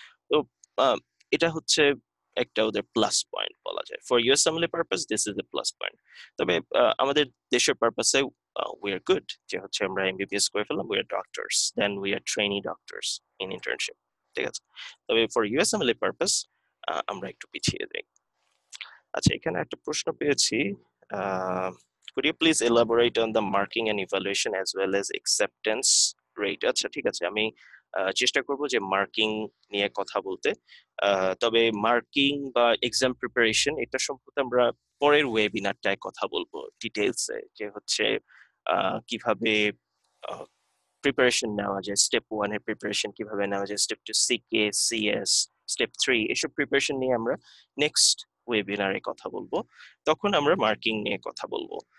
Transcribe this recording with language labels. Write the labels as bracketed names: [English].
[Bangla] তো এটা হচ্ছে একটা ওদের প্লাস পয়েন্ট বলা যায়। [English] For US MLE purpose this is a plus point. [Bangla] তবে আমাদের দেশের পারপাসে [English] we are good, [Bangla] যে হচ্ছে আমরা এমবিবিএস করে ফেললাম, [English] we are doctors, then we are trainee doctors in internship, [Bangla] ঠিক আছে। তবে [English] for US MLE purpose [Bangla] আমরা একটু পিছিয়ে যাই। আচ্ছা, এখানে একটা প্রশ্ন পেয়েছি, [English] could you please elaborate on the marking and evaluation as well as acceptance rate? [Bangla] আচ্ছা ঠিক আছে, আমি চেষ্টা করব যে মার্কিং নিয়ে কথা বলতে, তবে মার্কিং বা এক্সাম প্রিপারেশন এটা সম্পর্কে আমরা পরের ওয়েবিনারটায় কথা বলবো ডিটেলসে, যে হচ্ছে কিভাবে প্রিপারেশন নেওয়া যায়, স্টেপ ওয়ান এর প্রিপারেশন কিভাবে নেওয়া যায়, step two, সিকে, CS, step three, এসব প্রিপারেশন নিয়ে আমরা নেক্সট ওয়েবিনারে কথা বলবো, তখন আমরা মার্কিং নিয়ে কথা বলবো।